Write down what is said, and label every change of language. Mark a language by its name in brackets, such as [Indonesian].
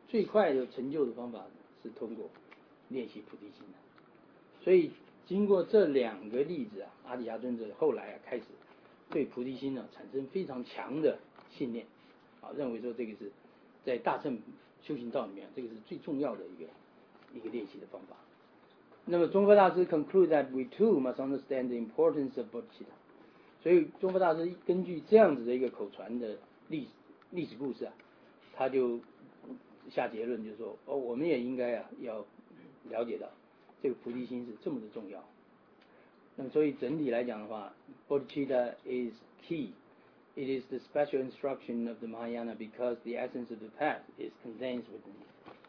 [Chinese] 最快的成就的方法是通过练习菩提心的。所以经过这两个例子啊，阿底峡尊者后来啊开始对菩提心呢、啊、产生非常强的信念啊，认为说这个是在大乘修行道里面这个是最重要的一个练习的方法。那么 [English] 中佛大师 conclude that we too must understand the importance of bodhicitta。 [Chinese] 所以中佛大师根据这样子的一个口传的历史故事啊，他就下结论，就是说哦，我们也应该啊要了解到这个菩提心是这么的重要。那么所以整体来讲的话， [English] bodhicitta is key, it is the special instruction of the Mahayana because the essence of the path is contained within it。